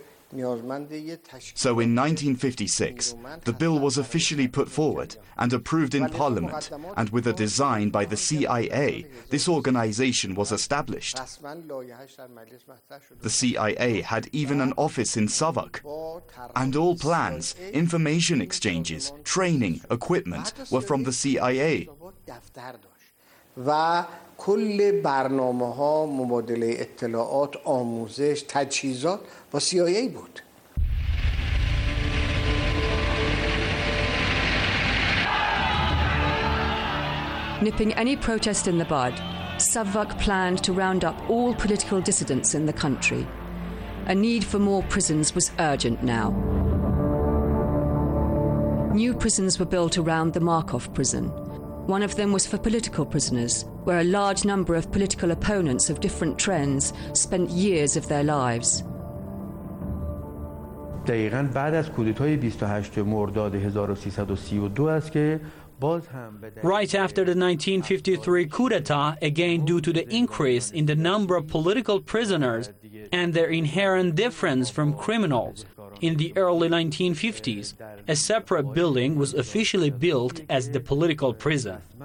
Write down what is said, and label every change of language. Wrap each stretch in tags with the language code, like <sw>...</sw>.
<en>So in 1956, the bill was officially put forward and approved in Parliament, and with a design by the CIA, this organization was established. The CIA had even an office in Savak, and all plans, information exchanges, training, equipment were from the CIA.</en> <fa>و کل برنامه‌ها مبادله اطلاعات آموزش تجهیزات با CIA بود</fa> <en>Nipping any protest in the bud, Savak planned to round up all political dissidents in the country. A need for more prisons was urgent now. New prisons were built around the Markov prison. One of them was for political prisoners, where a large number of political opponents of different trends spent years of their lives.</en> <fa>دقیقاً بعد از کودتای 28 مرداد 1332 است که</fa> <en>Right after the 1953 coup d'etat, again due to the increase in the number of political prisoners and their inherent difference from criminals, in the early 1950s, a separate building was officially built as the political prison.</en>